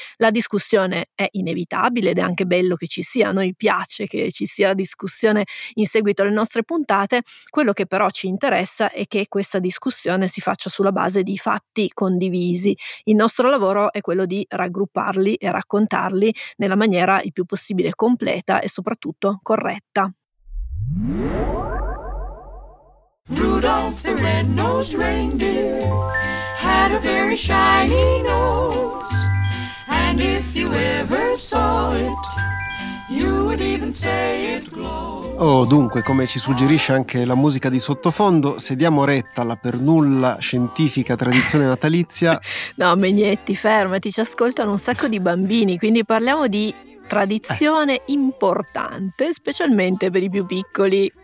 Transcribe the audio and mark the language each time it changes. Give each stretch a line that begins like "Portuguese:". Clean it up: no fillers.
Italian: La discussione è inevitabile ed è anche bello che ci sia, a noi piace che ci sia la discussione in seguito alle nostre puntate. Quello che però ci interessa è che questa discussione si faccia sulla base di fatti condivisi. Il nostro lavoro è quello di raggrupparli e raccontarli nella maniera il più possibile completa e soprattutto corretta.
English: Rudolph the Red-Nosed Reindeer had a very shiny nose, and if you ever saw it, you would even say it glows.
Italian: Oh, dunque, come ci suggerisce anche la musica di sottofondo, se diamo retta alla per nulla scientifica tradizione natalizia. No, Megnetti, fermati, ci ascoltano un sacco di bambini, quindi parliamo di tradizione importante, specialmente per i più piccoli.